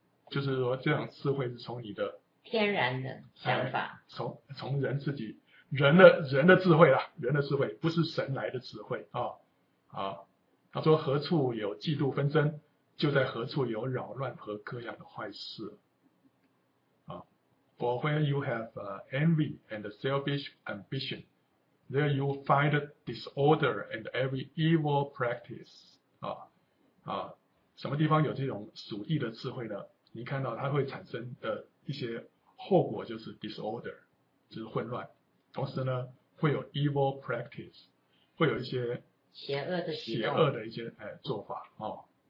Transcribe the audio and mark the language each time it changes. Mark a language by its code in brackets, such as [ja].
[zh] 就是说这样智慧是从你的天然的想法，从人自己。人的智慧啦，人的智慧不是神来的智慧啊、哦。他说何处有嫉妒纷争，就在何处有扰乱和各样的坏事。 [en] For when you have envy and selfish ambition, there you find disorder and every evil practice. [zh] 什么地方有这种属地的智慧呢？你看到它会产生的一些后果就是 disorder, 就是混乱。同时呢会有 evil practice, 会有一些邪恶的一些、做法、哦。